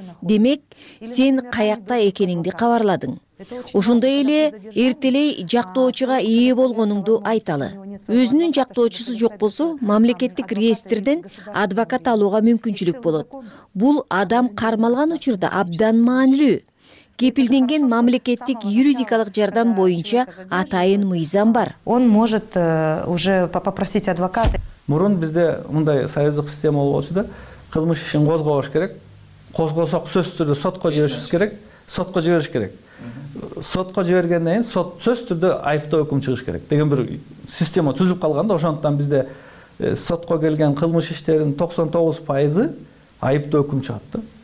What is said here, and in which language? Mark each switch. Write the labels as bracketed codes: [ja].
[ky] Демек, сен каякта экениңди кабарладың. Ошондой эле эртелей жактоочуга ээ болгонуңду айталы. Өзүнүн жактоочусу жок болсо, мамлекеттик реестрден адвокат алууга мүмкүнчүлүк болот. Бул адам кармалган учурда абдан маанилүү. Кепилденген мамлекеттик юридикалык жардам боюнча атайын мыйзам бар. [ru] Он может уже попросить адвоката. [ky] Мурун бизде мындай союздук система болбочу да, кылмыш ишин козгобош керек. Козгосок сөзсүз түрдө сотко жиберишибиз керек, сотко жибериш керек. Сотко жибергенден кийин сот сөзсүз түрдө айыптоо өкүм чыгыш керек деген бир система түзүлүп калган да, ошондуктан бизде сотко келген кылмыш иштердин 99% айыптоо өкүм чыгат да.